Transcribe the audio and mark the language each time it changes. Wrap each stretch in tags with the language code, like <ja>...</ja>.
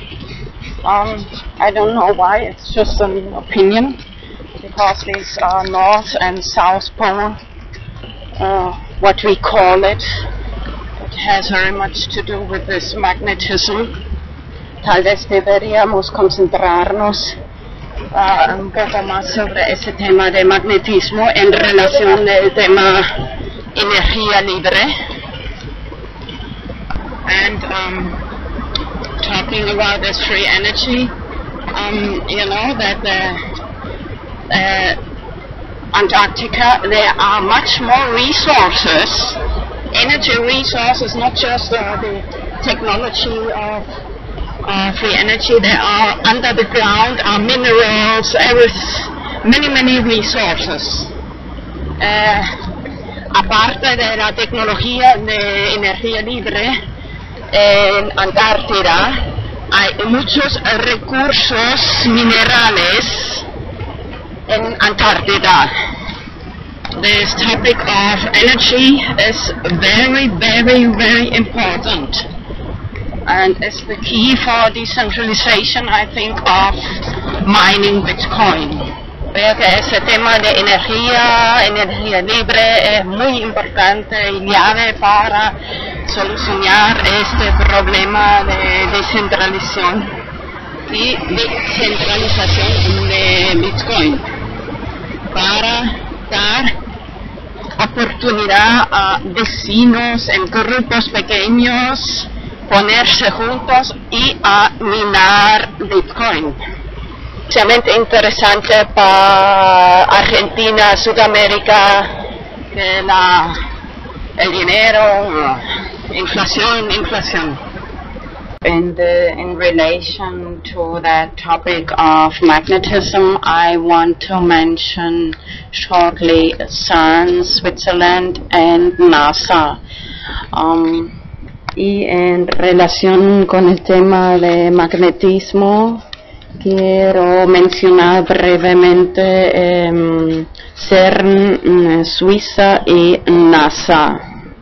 <en>I don't know why, it's just an opinion, because these are North and South Pole, what we call it, it has very much to do with this magnetism.</en> <es>Tal vez deberíamos concentrarnos un poco más sobre ese tema de magnetismo en relación del tema energía libre.</es> <en>And talking about this free energy, you know that the Antarctica, there are much more resources, energy resources, not just the technology of free energy. There are under the ground are minerals, earths, many resources.</en> <es>Aparte de la tecnología de energía libre en Antártida, hay muchos recursos minerales en Antártida.</es> <en>This topic of energy is very, very, very important, and it's the key for decentralization, I think, of mining Bitcoin.</en> <es>Veo que ese tema de energía, energía libre, es muy importante y clave para solucionar este problema de descentralización y descentralización de Bitcoin, para dar oportunidad a vecinos en grupos pequeños ponerse juntos y a minar Bitcoin. Especialmente interesante para Argentina, Sudamérica, que el dinero, inflación.</es> <en>in relation to that topic of magnetism, I want to mention shortly CERN, Switzerland, and NASA.</en> <es>Y en relación con el tema de magnetismo, quiero mencionar brevemente CERN, Suiza, y NASA.</es>